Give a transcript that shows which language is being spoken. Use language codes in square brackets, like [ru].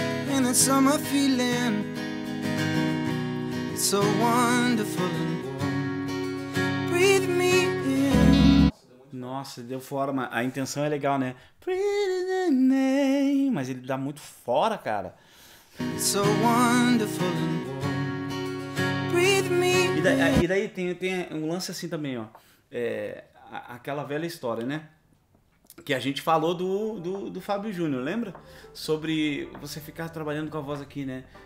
[en] And it's summer feeling. It's so wonderful and warm. Breathe me in. [pt] Nossa, deu forma. A intenção é legal, né? [en] Pretty name, [pt] mas ele dá muito fora, cara. [en] It's so wonderful and warm. Breathe me [pt] E [en] in. [pt] daí tem um lance assim também, ó. É, aquela velha história, né? Que a gente falou do Fábio Júnior, lembra? Sobre você ficar trabalhando com a voz aqui, né?